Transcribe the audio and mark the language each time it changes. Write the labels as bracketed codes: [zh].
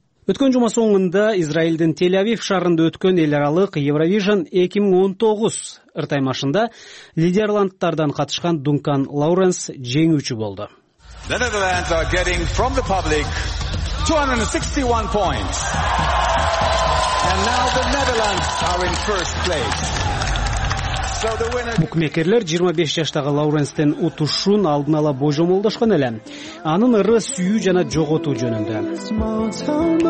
[ky] Өткөн жума соңунда Израилдин Тель-Авив шаарында өткөн эл аралык Евровижн 2019 ыртаймашында Нидерландтардан катышкан Дункан Лауренс жеңүүчү болду. [en] Netherlands are getting from the public 261 points. And now the Netherlands are in first place. [ky] Букмекерлер 25 жаштагы Лауренстен утушун алдын ала божомолдошкон эле. Анын ыры сүйүү жана жоготуу жөнүндө.